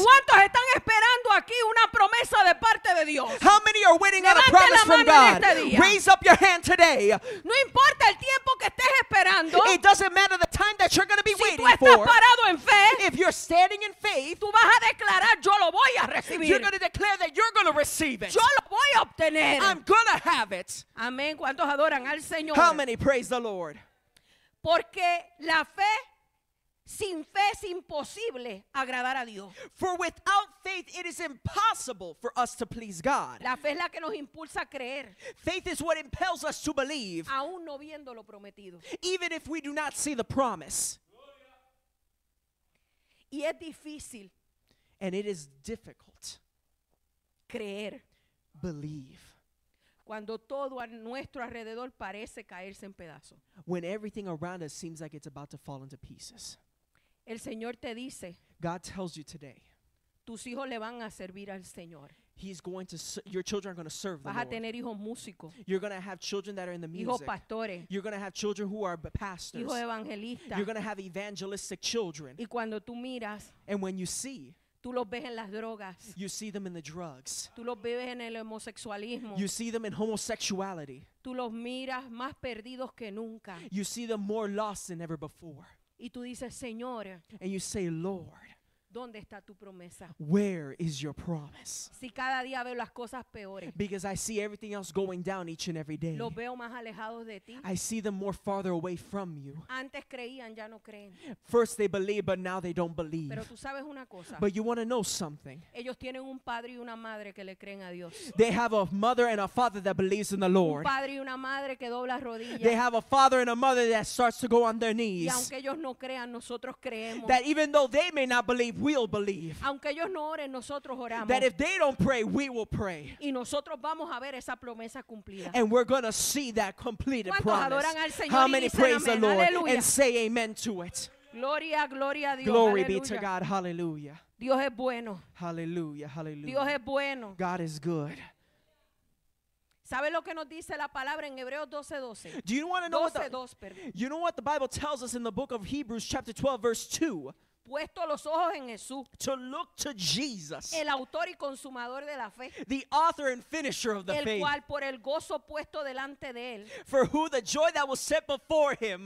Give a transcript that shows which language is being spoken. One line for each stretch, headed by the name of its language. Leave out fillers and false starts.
Spanish: ¿Cuántos están esperando aquí una promesa de parte de Dios?
English: How many are waiting on a promise from God? Raise up your hand today.
Spanish: No importa el tiempo que estés esperando,
English: it doesn't matter the time that you're going to be
Spanish: si
English: waiting for.
Spanish: Parado en fe,
English: if you're standing in faith,
Spanish: tú vas a declarar, yo lo voy a recibir.
English: You're going to declare that you're going to receive it.
Spanish: Yo lo voy a obtener.
English: I'm going to have it.
Spanish: Amén. ¿Cuántos adoran al Señor?
English: How many praise the Lord?
Spanish: Porque la fe sin fe es imposible agradar a Dios.
English: For without faith it is impossible for us to please God.
Spanish: La fe es la que nos impulsa a creer.
English: Faith is what impels us to believe.
Spanish: Aún no viendo lo prometido.
English: Even if we do not see the promise.
Spanish: Y es difícil.
English: And it is difficult.
Spanish: Creer.
English: Believe.
Spanish: Cuando todo a nuestro alrededor parece caerse en pedazos.
English: When everything around us seems like it's about to fall into pieces.
Spanish: El Señor te dice,
English: God tells you today,
Spanish: tus hijos le van a servir al Señor.
English: He's going to your children are going to serve
Spanish: vas
English: the Lord.
Spanish: A tener hijos músicos.
English: You're going to have children that are in the music.
Spanish: Hijos pastores.
English: You're going to have children who are pastors.
Spanish: Hijos evangelistas.
English: You're going to have evangelistic children.
Spanish: Y cuando tú miras,
English: and when you see,
Spanish: tú los ves en las drogas.
English: You see them in the drugs.
Spanish: Tú los ves en el homosexualismo.
English: You see them in homosexuality.
Spanish: Tú los miras más perdidos que nunca.
English: You see them more lost than ever before.
Spanish: Y tú dices, Señor,
English: and you say, Lord,
Spanish: ¿dónde está tu promesa?
English: Where is your promise?
Spanish: Si cada día veo las cosas peores.
English: Because I see everything else going down each and every day.
Spanish: Los veo más alejados de ti.
English: I see them more farther away from you.
Spanish: Antes creían, ya no creen.
English: First they believed, but now they don't believe.
Spanish: Pero tú sabes una cosa.
English: But you want to know something.
Spanish: Ellos tienen un padre y una madre que le creen a Dios.
English: They have a mother and a father that believes in the Lord.
Spanish: Un padre y una madre que dobla rodillas.
English: They have a father and a mother that starts to go on their knees.
Spanish: Y aunque ellos no crean, nosotros creemos.
English: That even though they may not believe, we'll believe.
Spanish: Aunque ellos no oren, nosotros oramos.
English: That if they don't pray, we will pray.
Spanish: Y nosotros vamos a ver esa promesa cumplida.
English: And we're going to see that completed promise.
Spanish: ¿Cuántos adoran al Señor?
English: How many praise amen. The Lord.
Spanish: Aleluya.
English: And say amen to it.
Spanish: Gloria, gloria a Dios.
English: Glory
Spanish: Aleluya.
English: Be to God. Hallelujah.
Spanish: Dios es bueno.
English: Hallelujah. Hallelujah.
Spanish: Dios es bueno.
English: God is good.
Spanish: ¿Sabe lo que nos dice la palabra en Hebreos 12:12?
English: Do you want to know 12, what, the, 2, you know what the Bible tells us in the book of Hebrews chapter 12 verse 2?
Spanish: Puesto los ojos en Jesús.
English: To look to Jesus.
Spanish: El autor y consumador de la fe.
English: The author and finisher of the
Spanish: el
English: faith.
Spanish: El cual por el gozo puesto delante de él.
English: For who the joy that was set before him.